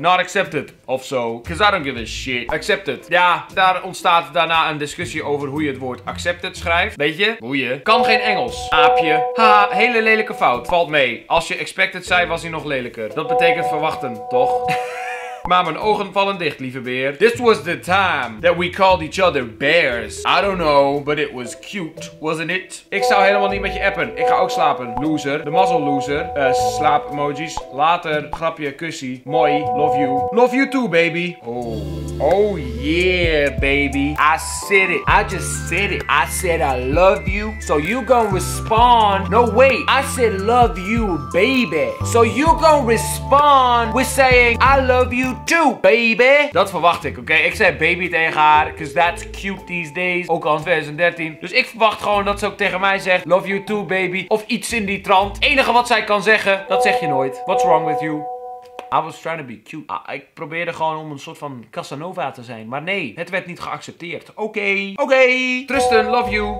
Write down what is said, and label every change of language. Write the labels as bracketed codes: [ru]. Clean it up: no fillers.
[en] Not accepted [nl] of zo. [en] Cause I don't give a shit. Accepted. [nl] Ja, daar ontstaat daarna een discussie over hoe je het woord accepted schrijft. Weet je? Hoe je? Kan geen Engels. Aapje. Haha, hele lelijke fout. Valt mee. Als je expected zei, was hij nog lelijker. Dat betekent verwachten, toch? Maar mijn ogen vallen dicht, lieve beer. [en] This was the time that we called each other bears. I don't know, but it was cute, wasn't it? [nl] Ik zou helemaal niet met je appen. Ik ga ook slapen. Loser. De mazzel loser. Slaap emojis. Later. Grapje, kussie. Mooi. [en] Love you. Love you too, baby. Oh. Oh yeah, baby. I said it. I just said it. I said I love you. So you gonna respond. No, wait. I said love you, baby. So you gonna respond with saying I love you. You too, baby. [nl] Dat verwacht ik, oké? Ik zei baby tegen haar, [en] cause that's cute these days. [nl] Ook al in 2013. Dus ik verwacht gewoon dat ze ook tegen mij zegt, [en] love you too, baby. [nl] Of iets in die trant. Het enige wat zij kan zeggen, dat zeg je nooit. [en] What's wrong with you? I was trying to be cute. [nl] Ik probeerde gewoon om een soort van Casanova te zijn. Maar nee, het werd niet geaccepteerd. Oké. Tristan, [en] love you.